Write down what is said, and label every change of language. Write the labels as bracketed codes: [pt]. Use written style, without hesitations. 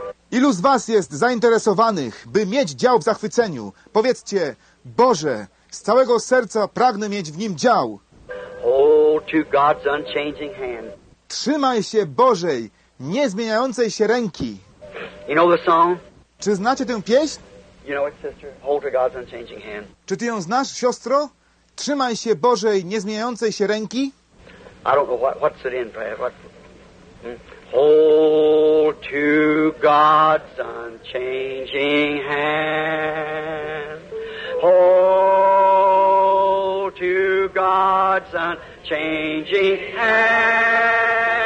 [pl] Ilu z was jest zainteresowanych, by mieć dział w zachwyceniu? Powiedzcie, Boże, z całego serca pragnę mieć w nim dział. [en] Hold to God's unchanging hand. [pl] Trzymaj się Bożej, niezmieniającej się ręki. [en] You know the song? [pl] Czy znacie tę pieśń? [en] You know it, sister. Hold to God's unchanging hand. [pl] Czy ty ją znasz, siostro? Trzymaj się Bożej, niezmieniającej się ręki. [en] I don't know what's it in, Brad. Hold to God's unchanging hand. Hold to God's unchanging hand.